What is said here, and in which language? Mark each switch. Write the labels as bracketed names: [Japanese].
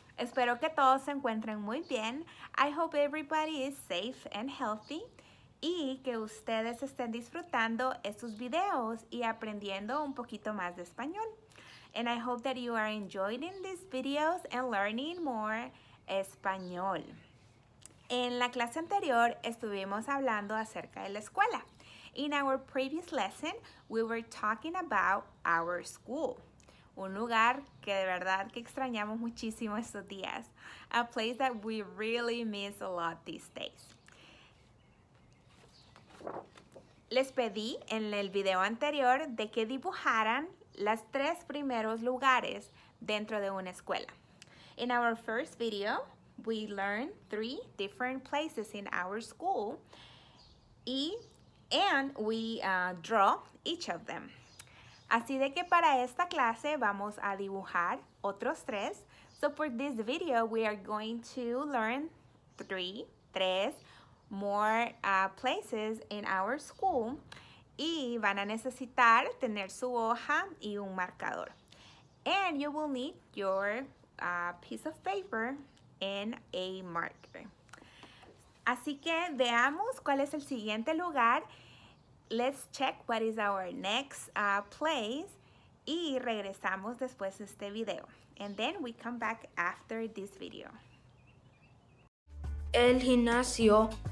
[Spanish] Espero que todos se encuentren muy bien. [English] I hope everybody is safe and healthy [Spanish] y que ustedes estén disfrutando estos videos y aprendiendo un poquito más de español. [English] And I hope that you are enjoying these videos and learning more español. [Spanish] En la clase anterior estuvimos hablando acerca de la escuela. [English] In our previous lesson, we were talking about our school. [Spanish] Un lugar que de verdad que extrañamos muchísimo estos días. [English] A place that we really miss a lot these days. [Spanish] Les pedí en el video anterior de que dibujaran las tres primeros lugares dentro de una escuela. [English] In our first video, we learned three different places in our school and we draw each of them. [Spanish] Así de que para esta clase vamos a dibujar otros tres. [English] So for this video, we are going to learn three more places in our school. [Spanish] Y van a necesitar tener su hoja y un marcador. [English] And you will need your piece of paper and a marker. [Spanish] Así que veamos cuál es el siguiente lugar. [English] Let's check what is our next place. [Spanish] Y regresamos después de este video. [English] And then we come back after this video. [Spanish] El gimnasio.